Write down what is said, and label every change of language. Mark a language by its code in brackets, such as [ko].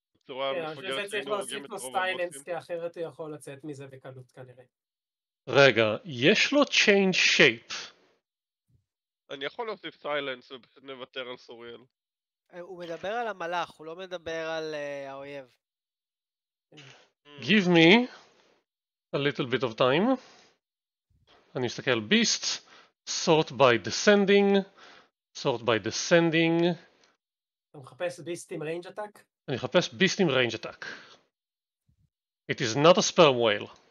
[he] בצורה מפגרת שהיא נורגים את רוב הבוסים. כי אחרת הוא יכול לצאת מזה בקלות כנראה. רגע, יש לו change shape. אני יכול להוסיף סיילנס ופשוט נוותר על סוריאל. הוא מדבר על המלאך, הוא לא מדבר על האויב. [en] Give me a little bit of time. [he] אני מסתכל על beast. [en] Sort by descending. Sort by descending. [he] אתה מחפש ביסט עם ריינג' אטאק? אני מחפש ביסט עם ריינג' אטאק. [en] It is not a sperm whale.